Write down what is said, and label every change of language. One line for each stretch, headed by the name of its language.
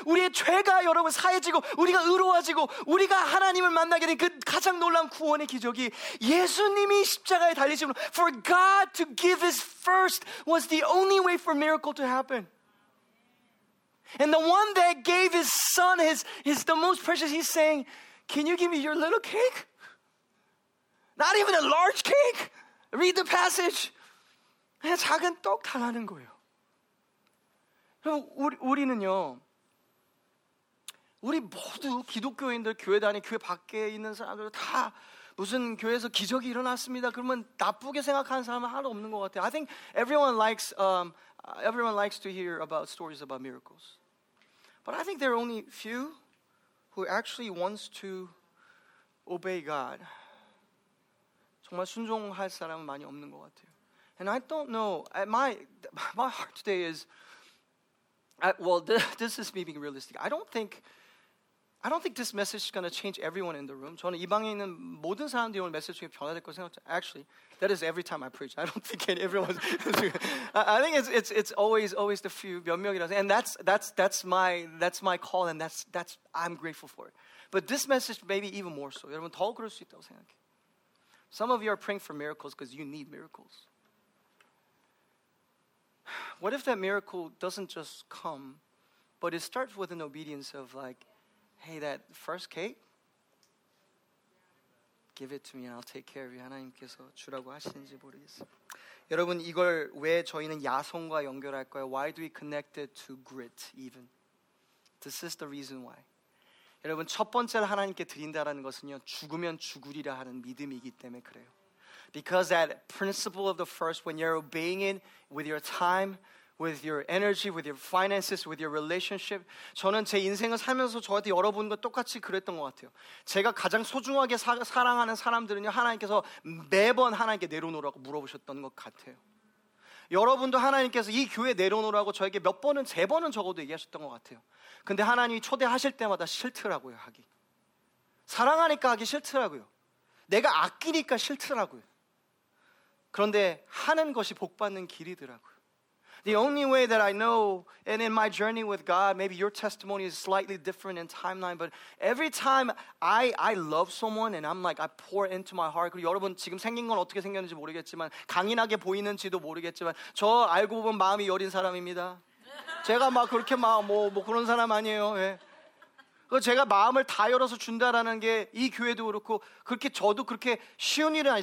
Korean: 우리의 죄가 여러분 사해지고 우리가 의로워지고 우리가 하나님을 만나게 된 그 가장 놀라운 구원의 기적이 예수님이 십자가에 달리심으로
English: for God to give his first was the only way for miracle to happen. And the one that gave his son his the most precious, he's saying, can you give me your little cake? Not even a large cake? Read the passage.
Korean: 그냥 작은 떡 달라는 거예요. 그럼 우리는요, 우리 모두 기독교인들, 교회 다니, 교회 밖에 있는 사람들 다 무슨 교회에서 기적이 일어났습니다. 그러면 나쁘게 생각하는 사람은 하나도 없는 것 같아요.
English: I think everyone likes to hear about stories about miracles. But I think there are only few who actually wants to obey God.
Korean: 정말 순종할 사람은 많이 없는 것 같아요.
English: And I don't know, my heart today is, this is me being realistic. I don't think this message is going to change everyone in the room.
Korean: 저는 이 방에 있는 모든 사람들이 오늘 메시지 중에 변화될 거라고 생각해요.
English: Actually, that is every time I preach. I don't think everyone. I think it's always the few
Korean: 몇 명이라서.
English: And that's my call, and that's I'm grateful for it. But this message maybe even more so.
Korean: 여러분 더 그럴 수 있다고 생각해.
English: Some of you are praying for miracles because you need miracles. What if that miracle doesn't just come, but it starts with an obedience of like, hey, that first cake, give it to me and I'll take care of you.
Korean: 하나님께서 주라고 하시는지 모르겠어요. 여러분, 이걸 왜 저희는 야성과 연결할 거예요?
English: Why do we connect it to grit even? This is the reason why.
Korean: 여러분, 첫 번째를 하나님께 드린다라는 것은요, 죽으면 죽으리라 하는 믿음이기 때문에 그래요.
English: Because that principle of the first, when you're obeying it with your time, with your energy, with your finances, with your relationship.
Korean: 저는 제 인생을 살면서 저한테 여러분과 똑같이 그랬던 것 같아요. 제가 가장 소중하게 사랑하는 사람들은요, 하나님께서 매번 하나님께 내려놓으라고 물어보셨던 것 같아요. 여러분도 하나님께서 이 교회 내려놓으라고 저에게 몇 번은, 세 번은 적어도 얘기하셨던 것 같아요. 근데 하나님이 초대하실 때마다 싫더라고요, 하기. 사랑하니까 하기 싫더라고요. 내가 아끼니까 싫더라고요. 그런데 하는 것이 복받는 길이더라고요.
English: The only way that I know, and in my journey with God, maybe your testimony is slightly different in timeline, but every time I love someone and I'm like, I pour into my heart.
Korean: 그리고 여러분, 지금 생긴 건 어떻게 생겼는지 모르겠지만, 강인하게 보이는지도 모르겠지만, 저 알고 보면 마음이 여린 사람입니다. 제가 막 그렇게 막 뭐 그런 사람 아니에요. 예. 그 제가 마음을 다 열어서 준다라는 게 이 교회도 그렇고 그렇게 저도 그렇게 쉬운 일은 아니에요.